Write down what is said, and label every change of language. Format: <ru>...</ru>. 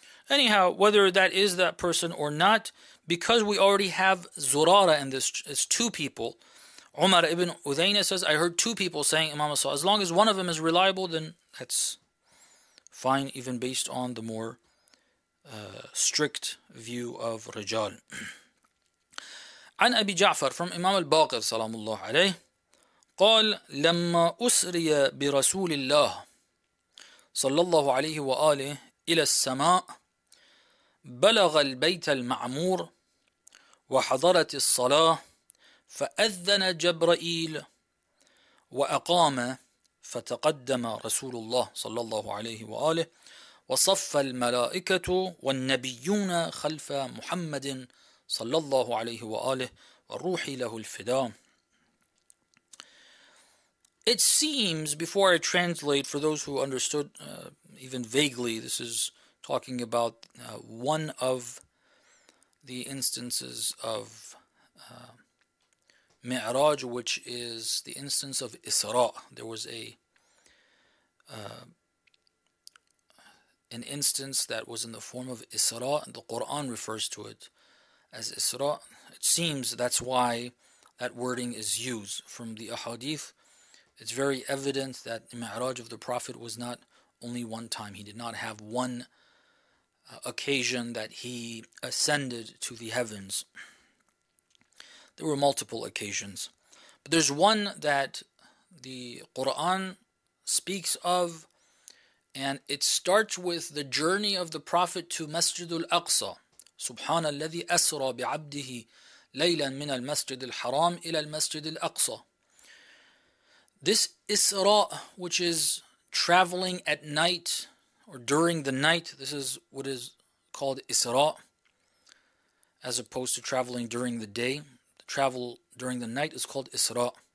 <en>Anyhow, whether that is that person or not, because we already have Zurara in this, it's two people. Umar ibn Uthayna says, I heard two people saying Imam Asa. As long as one of them is reliable, then that's fine, even based on the more strict view of Rijal. An Abi Ja'far, from Imam al-Baqir, salamullah alayhi.</en> <ar>قال لما أسري برسول الله صلى الله عليه وآله إلى السماء بلغ البيت المعمور وحضرت الصلاة فأذن جبرائيل وأقام فتقدم رسول الله صلى الله عليه وآله وصف الملائكة والنبيون خلف محمد صلى الله عليه وآله والروح له الفداء.</ar> <en>It seems, before I translate, for those who understood even vaguely, this is talking about one of the instances of Mi'raj, which is the instance of Isra. There was an instance that was in the form of Isra, and the Quran refers to it as Isra. It seems that's why that wording is used. From the ahadith, it's very evident that the Mi'raj of the Prophet was not only one time. He did not have one occasion that he ascended to the heavens. There were multiple occasions. But there's one that the Quran speaks of, and it starts with the journey of the Prophet to Masjid al-Aqsa.</en> <ar>سبحان الذي أسرى بعبده ليلا من المسجد الحرام إلى المسجد الأقصى.</ar> <en>This Isra, which is traveling at night or during the night, this is what is called Isra, as opposed to traveling during the day. The travel during the night is called Isra.</en>